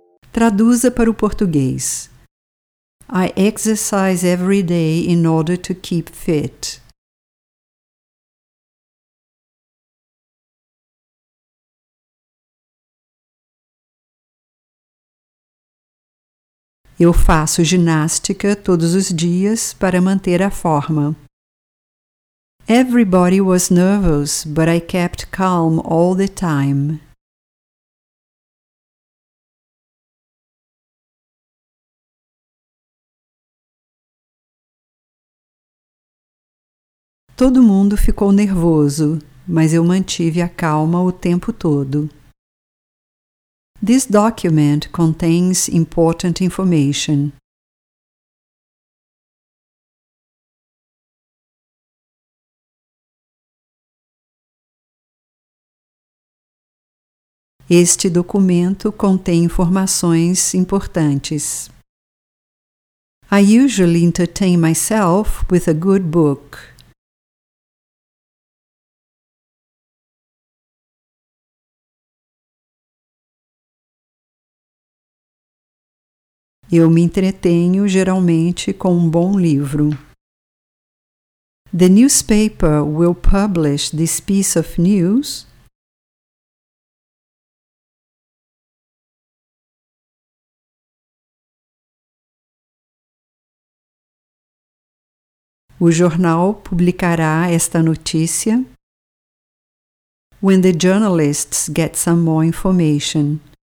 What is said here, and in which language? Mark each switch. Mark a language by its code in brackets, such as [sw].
[pt] Traduza para o português. [en] I exercise every day in order to keep fit. [pt] Eu faço ginástica todos os dias para manter a forma. [en] Everybody was nervous, but I kept calm all the time. [pt] Todo mundo ficou nervoso, mas eu mantive a calma o tempo todo. [en] This document contains important information. [pt] Este documento contém informações importantes. [en] I usually entertain myself with a good book. [pt] Eu me entretenho geralmente com um bom livro. [en] The newspaper will publish this piece of news. [pt] O jornal publicará esta notícia. [en] When the journalists get some more information.